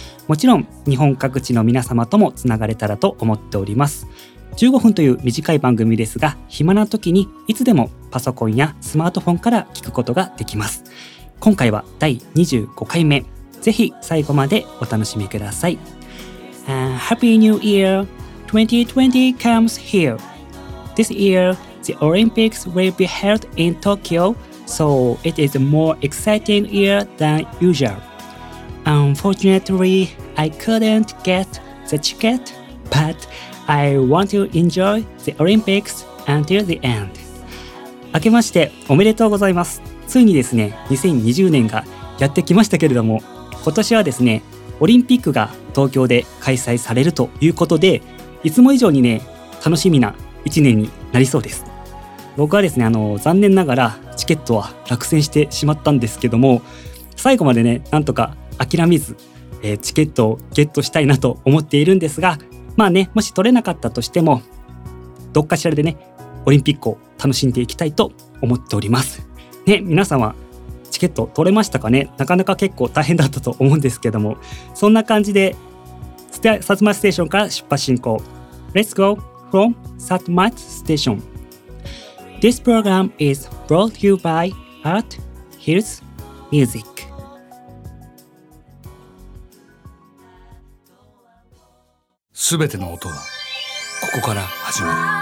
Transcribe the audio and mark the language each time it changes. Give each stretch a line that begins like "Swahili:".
Japanese: もちろん日本各地の皆様ともつながれたらと思っております。 15分という短い番組ですが、暇な時にいつでもパソコンやスマートフォンから聞くことができます。今回は第25回目、ぜひ最後までお楽しみください。
English: Happy New Year! 2020 comes here! This year, the Olympics will be held in Tokyo, so it is a more exciting year than usual. Unfortunately, I couldn't get the ticket, but I want to enjoy the Olympics until the end.
Japanese: 明けましておめでとうございます。ついにですね、2020年がやってきましたけれども、今年はですね、オリンピックが東京で開催されるということで、いつも以上にね、楽しみな1年になりそうです。僕はですね、残念ながらチケットは落選してしまったんですけども、最後までね、なんとか諦めず、チケットをゲットしたいなと思っているんですが、まあね、もし取れなかったとしても、どっかしらでね、オリンピックを楽しんでいきたいと思っております。ね、皆さんはチケット取れましたかね？なかなか結構大変だったと思うんですけども、そんな感じで、サツマステーションから出発進行。
English: Let's go from Satmat Station. This program is brought to you by Art Hills Music.
Japanese: すべての音はここから始まる。